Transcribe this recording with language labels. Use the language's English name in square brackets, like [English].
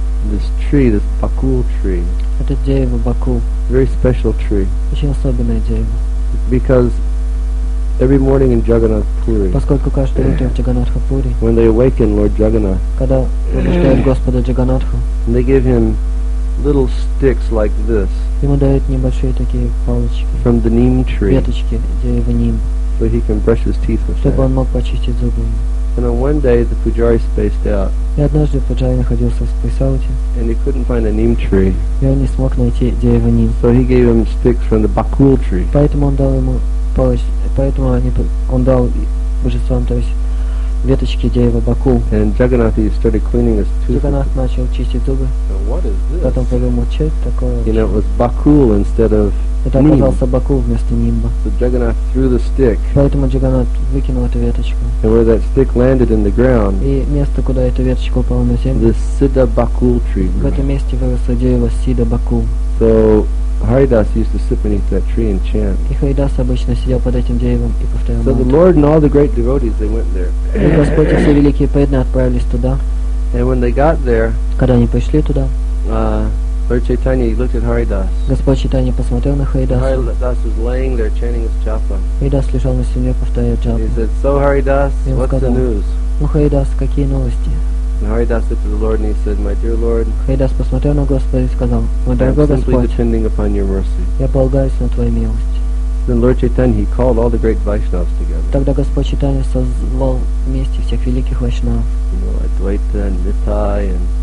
[English] This tree, this Bakul tree. [Russian] Это дерево Бакул. [English] Very special tree. [Russian] Очень особенное дерево. [English] Because every morning in Jagannath Puri. [Russian] Поскольку каждое утро в Джаганатха Пури. [English] When they awaken Lord Jagannath. [Russian] Когда пробуждают Господа Джаганатху. [English] They give him little sticks like this. [Russian] Ему дают небольшие такие палочки. [English] From the neem tree. [Russian] Веточки дерева нимб. [English] So he can brush his teeth with them. [Russian] Чтобы он мог почистить зубы. [English] And then one day the pujari spaced out. [Russian] И однажды пуджари находился в спейс-ауте. [English] And he couldn't find a neem tree. [Russian] И он не смог найти дерево ним. [English] So he gave him sticks from the bakul tree. [Russian] Поэтому он дал ему поэтому они он дал божествам то есть веточки дерева бакул. [English] And Jagannath started cleaning his tooth. [Russian] Jagannath начал чистить зубы. Потом подумал, что это такое. [English] You know, it was bakul instead of [Russian] это оказался бакул вместо нимба. [English] So Jagannath threw the stick. [Russian] Поэтому Джаганат выкинул эту веточку. [English] And where that stick landed in the ground. [Russian] И место, куда эта веточка упала на землю. [English] The siddha bakul tree. [Russian] В этом месте выросло дерево сидда бакул. [English] So Haridas used to sit beneath that tree and chant. [Russian] И Харидас обычно сидел под этим деревом и повторял. [English] So the Lord and all the great devotees they went there. [Russian] И Господь и все великие преданные отправились туда. [English] And when they got there, [Russian] когда они пришли туда, [English] Lord Chaitanya looked at Haridas. [Russian] Господь Чайтанья посмотрел на Харидаса. [English] Haridas was laying there chanting his japa. [Russian] Харидас лежал на земле, повторяя джапу. [English] He said, "So Haridas, what's the news?" [Russian] Ну Харидас, какие новости? [English] And Haridas looked to the Lord and he said, "My dear Lord, [Russian] Haridas посмотрел на Господа и сказал, мой дорогой Господь, [English] depending upon your mercy. [Russian] Я полагаюсь на твою милость. [English] Then Lord Chaitanya he called all the great Vaishnavas together. [Russian] Тогда Господь Чайтанья созвал вместе всех великих Вайшнав. [English] You know, Адвайта and Нитай and